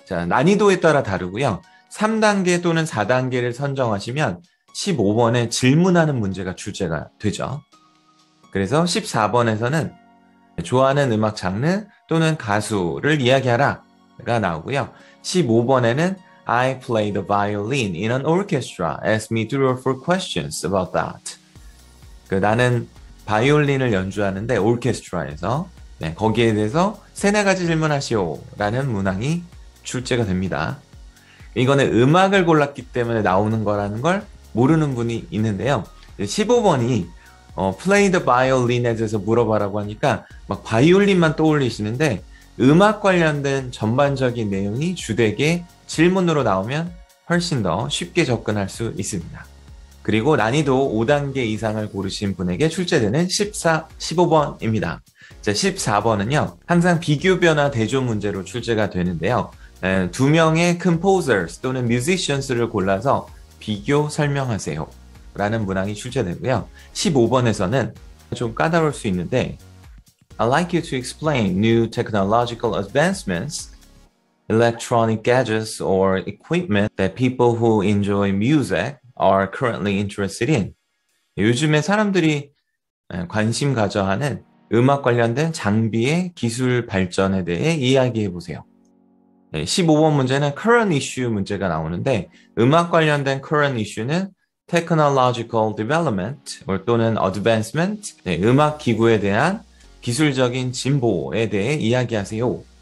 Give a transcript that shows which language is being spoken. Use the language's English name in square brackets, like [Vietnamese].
[Korean] 자, 난이도에 따라 다르고요. 3단계 또는 4단계를 선정하시면 15번에 질문하는 문제가 출제가 되죠. 그래서 14번에서는 좋아하는 음악 장르 또는 가수를 이야기하라가 나오고요. 15번에는 [English] I play the violin in an orchestra. Ask me three or four questions about that. [Korean] 나는 바이올린을 연주하는데 오케스트라에서 네, 거기에 대해서 세네 가지 질문하시오 라는 문항이 출제가 됩니다. 이거는 음악을 골랐기 때문에 나오는 거라는 걸 모르는 분이 있는데요. 15번이 [English] play the violin [Korean] 에 대해서 물어봐라고 하니까 막 바이올린만 떠올리시는데 음악 관련된 전반적인 내용이 주되게 질문으로 나오면 훨씬 더 쉽게 접근할 수 있습니다. 그리고 난이도 5단계 이상을 고르신 분에게 출제되는 14, 15번입니다. 자, 14번은요. 항상 비교변화 대조 문제로 출제가 되는데요. 두 명의 composers 또는 musicians를 골라서 비교 설명하세요. 라는 문항이 출제되고요. 15번에서는 좀 까다로울 수 있는데 [English] I'd like you to explain new technological advancements, electronic gadgets or equipment that people who enjoy music are currently interested in. [Korean] 요즘에 사람들이 관심 가져하는 음악 관련된 장비의 기술 발전에 대해 이야기해 보세요. 15번 문제는 current issue 문제가 나오는데 음악 관련된 current issue는 technological development 또는 advancement, 음악 기구에 대한 기술적인 진보에 대해 이야기하세요.